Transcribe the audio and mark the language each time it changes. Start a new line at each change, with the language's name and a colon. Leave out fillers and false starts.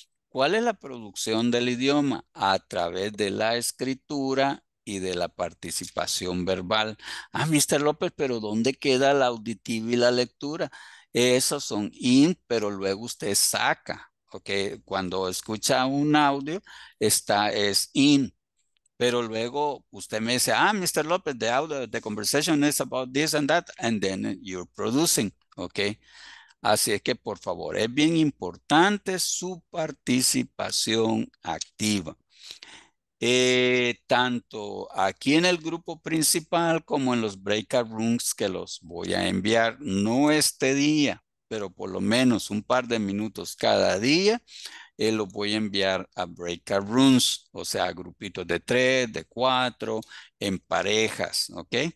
Spanish: ¿Cuál es la producción del idioma? A través de la escritura y de la participación verbal. Ah, Mr. López, pero ¿dónde queda la auditiva y la lectura? Esos son in, pero luego usted saca. Ok, cuando escucha un audio, está es in. Pero luego usted me dice, ah, Mr.
English: López, the audio, the conversation is about this and that, and then you're producing. Ok.
Spanish: Así es que, por favor, es bien importante su participación activa. Tanto aquí en el grupo principal como en los breakout rooms que los voy a enviar, no este día, pero por lo menos un par de minutos cada día, los voy a enviar a breakout rooms, o sea, a grupitos de 3, de 4, en parejas, ¿ok?